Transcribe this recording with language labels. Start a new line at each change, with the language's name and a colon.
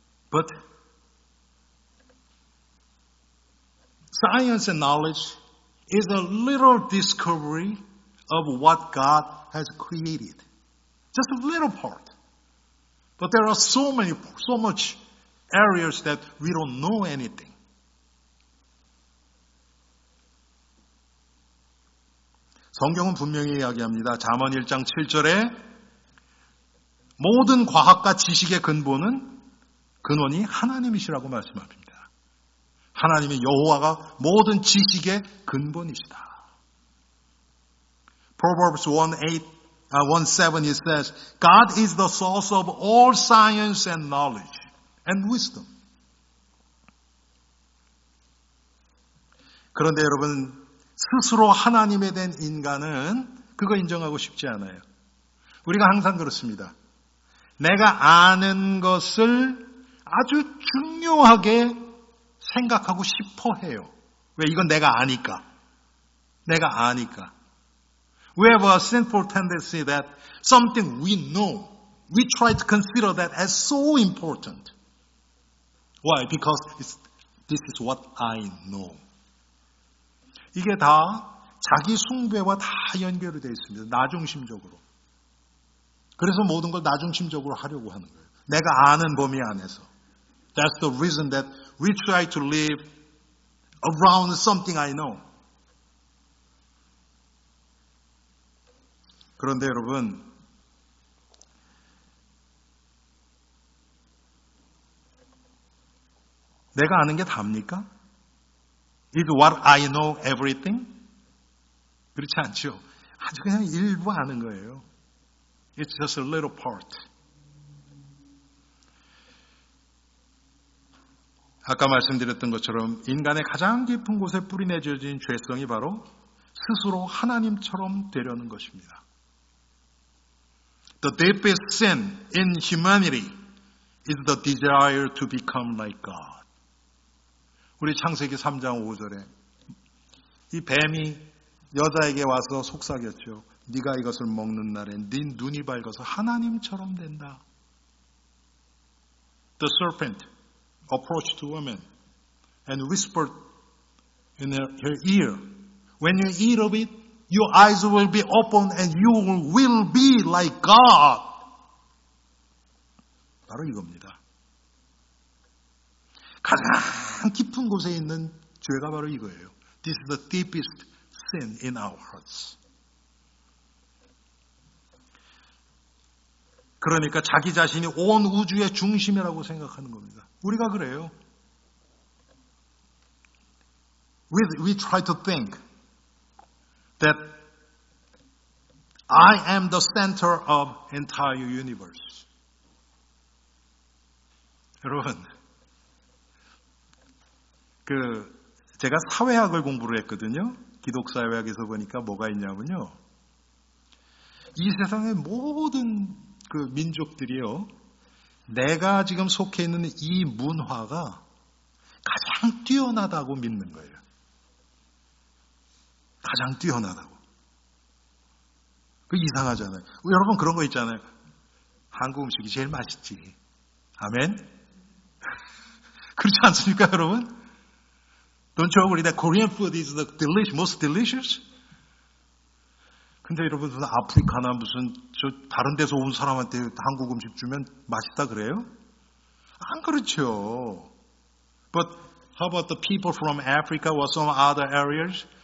English: 'But science and knowledge is a little discovery of what God has created. Just a little part. But there are so much areas that we don't know anything.
Korean: 성경은 분명히 이야기합니다. 잠언 1장 7절에 모든 과학과 지식의 근원이 하나님이시라고 말씀합니다. 하나님의 여호와가 모든 지식의 근본이시다.
English: Proverbs 1:7 it says, God is the source of all science and knowledge and wisdom.
Korean: 그런데 여러분, 스스로 하나님에 대한 인간은 그거 인정하고 싶지 않아요. 우리가 항상 그렇습니다. 내가 아는 것을 아주 중요하게 생각하고 싶어 해요. 왜? 이건 내가 아니까. 내가 아니까.
English: We have a sinful tendency that something we know, we try to consider that as so important. Why? Because this is what I know.
Korean: 이게 다 자기 숭배와 다 연결되어 있습니다. 나중심적으로. 그래서 모든 걸 나중심적으로 하려고 하는 거예요. 내가 아는 범위 안에서.
English: That's the reason that we try to live around something I know.
Korean: 그런데 여러분, 내가 아는 게 답니까?
English: Is what I know everything?
Korean: 그렇지 않죠. 아주 그냥 일부 아는 거예요.
English: It's just a little part.
Korean: 아까 말씀드렸던 것처럼 인간의 가장 깊은 곳에 뿌리내려진 죄성이 바로 스스로 하나님처럼 되려는 것입니다.
English: The deepest sin in humanity is the desire to become like God.
Korean: 우리 창세기 3장 5절에 이 뱀이 여자에게 와서 속삭였죠. 네가 이것을 먹는 날엔 네 눈이 밝아서 하나님처럼 된다.
English: The serpent approached a woman and whispered in her ear, When you eat of it, your eyes will be opened and you will be like God.
Korean: 바로 이겁니다. 가장 깊은 곳에 있는 죄가 바로 이거예요.
English: This is the deepest sin in our hearts.
Korean: 그러니까 자기 자신이 온 우주의 중심이라고 생각하는 겁니다. 우리가 그래요.
English: We try to think that I am the center of entire universe.
Korean: 여러분, 그 제가 사회학을 공부를 했거든요. 기독사회학에서 보니까 뭐가 있냐면요. 이 세상의 모든 그 민족들이요, 내가 지금 속해 있는 이 문화가 가장 뛰어나다고 믿는 거예요. 가장 뛰어나다고. 그 이상하잖아요. 여러분 그런 거 있잖아요. 한국 음식이 제일 맛있지. 아멘? 그렇지 않습니까, 여러분?
English: Don't you agree that Korean food is the delicious, most delicious?
Korean: 근데 여러분, 아프리카나 무슨 저 다른 데서 온 사람한테 한국 음식 주면 맛있다 그래요? 안 그렇죠.
English: But how about the people from Africa or some other areas?